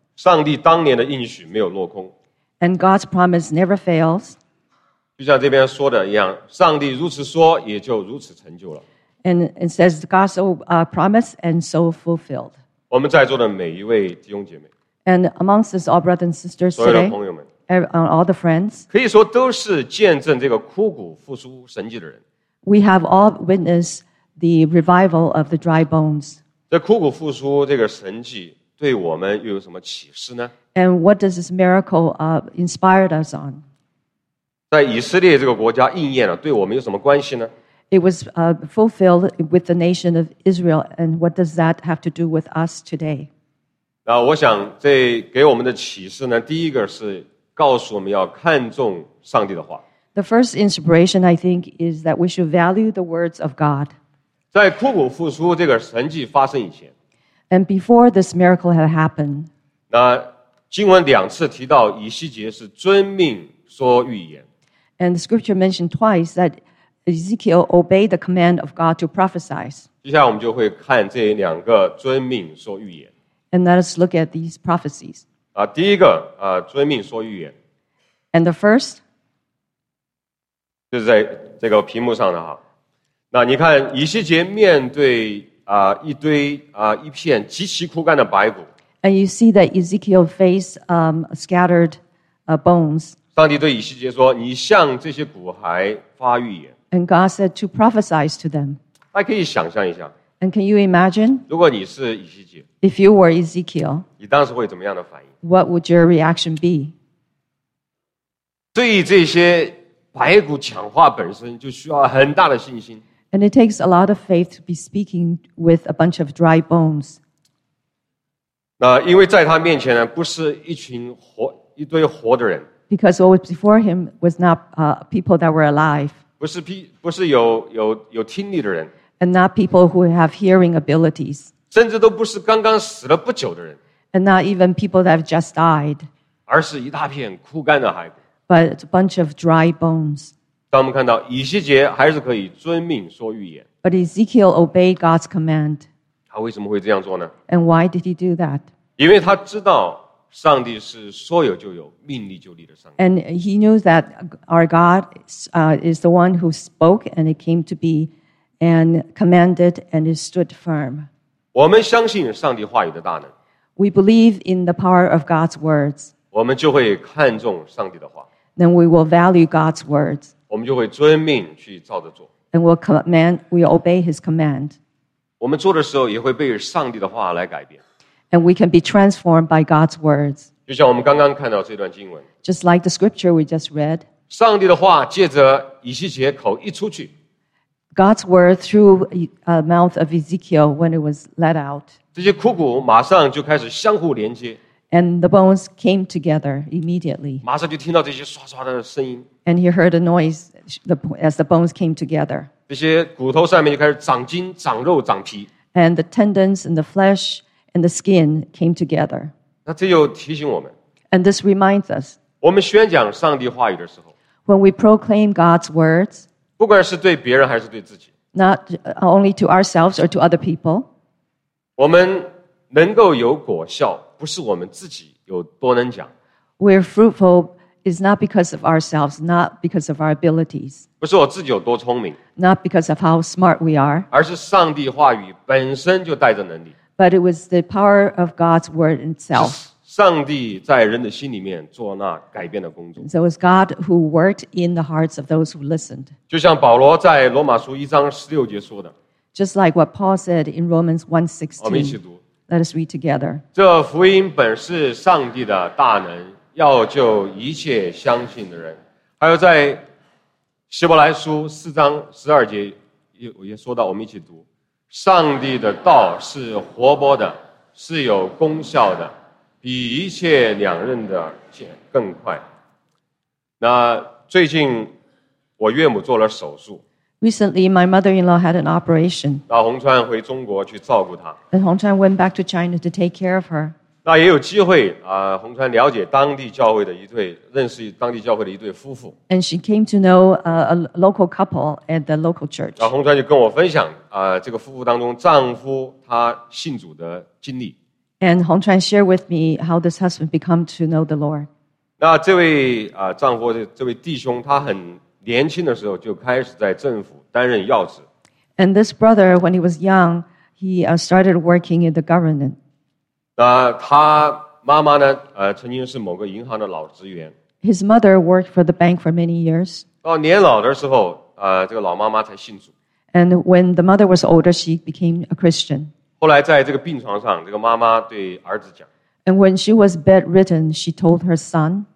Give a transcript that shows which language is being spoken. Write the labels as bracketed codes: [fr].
[zh] 上帝当年的应许没有落空 [en] And God's promise never fails [zh] 就像这边说的一样上帝如此说也就如此成就了 [en] And it says God's promise and so fulfilled. [zh] 我们在座的每一位弟兄姐妹 [en] And amongst us all brothers and sisters today, [zh] 所有的朋友们 [en] all the friends, [zh] 可以说都是见证这个枯骨复苏神迹的人 [en] We have all witnessed the revival of the dry bones. [zh] 这枯骨复苏这个神迹对我们又有什么启示呢 [en] And what does this miracle inspired us on? [zh] 在以色列这个国家应验了对我们有什么关系呢 [en] It was fulfilled with the nation of Israel, and what does that have to do with us today? [zh] 那我想这给我们的启示呢，第一个是告诉我们要看重上帝的话。 [en] The first inspiration, I think, is that we should value the words of God. [zh] 在枯骨复苏这个神迹发生以前 [en] ，and before this miracle had happened, [zh] 那经文两次提到以西结是遵命说预言 [en] ，and the scripture mentioned twice that. Ezekiel obeyed the command of God to prophesy. [zh] 接下来我们就会看这两个遵命说预言。 [en] And let us look at these prophecies. [zh] 第一个遵命说预言。 [en] And the first? [zh] 就是在这个屏幕上的哈。那你看以西结面对一片极其枯干的白骨。 [en] And you see that Ezekiel faced scattered bones. [zh] 上帝对以西结说你向这些骨骸发预言。 [en] And God said to prophesy to them. [zh] 大家可以想象一下。 [en] And can you imagine? [zh] 如果你是以西结。 [en] If you were Ezekiel. [zh] 你当时会怎么样的反应? [en] What would your reaction be? [zh] 对于这些白骨讲话本身就需要很大的信心。 [en] And it takes a lot of faith to be speaking with a bunch of dry bones. [zh] 那因为在他面前呢不是一堆活的人。 [en] Because what was before him was not people that were alive. [zh] 不是有听力的人 [en] ，and not people who have hearing abilities， [zh] 甚至都不是刚刚死了不久的人 [en] ，and not even people that have just died， [zh] 而是一大片枯干的骸骨 [en] but it's a bunch of dry bones. [zh] 当我们看到以西结还是可以遵命说预言。 [en] But Ezekiel obeyed God's command. [zh] 他为什么会这样做呢 [en] ？And why did he do that? [zh] 因为他知道上帝是说有就有、命立就立的上帝。 [en] And he knew that our God is the one who spoke and it came to be and commanded and it stood firm. [zh] 我们相信上帝话语的大能。 [en] We believe in the power of God's words. [zh] 我们就会看重上帝的话。 [en] Then we will value God's words. [zh] 我们就会遵命去照着做。 [en] And we'll command, we obey His command. [zh] 我们做的时候也会被上帝的话来改变。 [en] And we can be transformed by God's words. [zh] 就像我们刚刚看到这段经文。 [en] Just like the scripture we just read. [zh] 上帝的话借着以西结口一出去。 [en] God's word through the mouth of Ezekiel when it was let out. [zh] 这些枯骨马上就开始相互连接。 [en] And the bones came together immediately. [zh] 马上就听到这些刷刷的声音。 [en] And he heard a noise as the bones came together. [zh] 这些骨头上面就开始长筋、长肉、长皮。 [en] And the tendons and the flesh and the skin came together. [zh] 那这又提醒我们。 [en] And this reminds us. [zh] 我们宣讲上帝话语的时候。 [en] When we proclaim God's words. [zh] 不管是对别人还是对自己。 [en] Not only to ourselves or to other people. [zh] 我们能够有果效，不是我们自己有多能讲。 [en] We're fruitful is not because of ourselves, not because of our abilities. [zh] 不是我自己有多聪明。 [en] Not because of how smart we are. [zh] 而是上帝话语本身就带着能力。 [en] But it was the power of God's word itself. [zh] 上帝在人的心里面做那改变的工作。 [en] So it was God who worked in the hearts of those who listened. [zh] 就像保罗在罗马书一章十六节说的。 [en] Just like what Paul said in Romans 1:16. [zh] 我们一起读。 [en] Let us read together. [zh] 这福音本是上帝的大能，要救一切相信的人。还有在希伯来书四章十二节也说到，我们一起读。上帝的道是活泼的，是有功效的，比一切两刃的剑更快。那最近我岳母做了手术。 [en] Recently, my mother-in-law had an operation. [zh] 那洪川回中国去照顾她。 [en] And Hong Chuan went back to China to take care of her. [zh] 那也有机会啊，洪川了解当地教会的一对，认识当地教会的一对夫妇。 [en] And she came to know a local couple at the local church. [zh] 那洪川就跟我分享啊，这个夫妇当中丈夫他信主的经历。 [en] And Hong Chuan shared with me how this husband became to know the Lord. [zh] 那这位啊丈夫这位弟兄他很。年轻的时候就开始在政府担任要职。 [en] And this brother, when he was young, he started working in the government. [zh] 那他妈妈呢？曾经是某个银行的老职员。 [en] His mother worked for the bank for many years. [zh] 到年老的时候，这个老妈妈才信主。 [en] And when the mother was older, she became a Christian. [zh] 后来在这个病床上，这个妈妈对儿子讲。 [en] And when she was bedridden, she told her son.